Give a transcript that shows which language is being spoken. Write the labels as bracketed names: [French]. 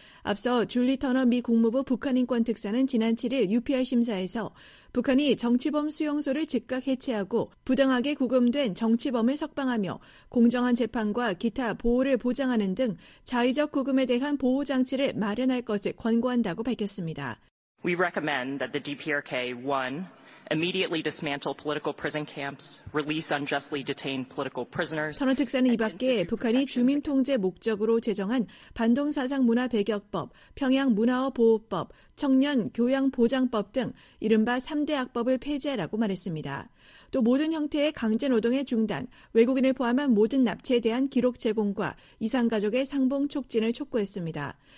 [Korean] 앞서 줄리 터너 미 국무부 북한인권특사는 지난 7일 UPR 심사에서 북한이 정치범 수용소를 즉각 해체하고 부당하게 구금된 정치범을 석방하며 공정한 재판과 기타 보호를 보장하는 등 자의적 구금에 대한 보호장치를 마련할 것을 권고한다고 밝혔습니다. [English] We recommend that the DPRK 1 immediately dismantle political prison camps, release unjustly detained political prisoners. [Korean] 터너 특사는 이밖에 북한이 주민 통제 목적으로 제정한 반동 사상 문화 배격법, 평양 문화어 보호법, 청년 교양 보장법 등 이른바 3대 악법을 폐지하라고 말했습니다. 또 모든 형태의 강제 노동의 중단, 외국인을 포함한 모든 납치에 대한 기록 제공과 이산 가족의 상봉 촉진을 촉구했습니다.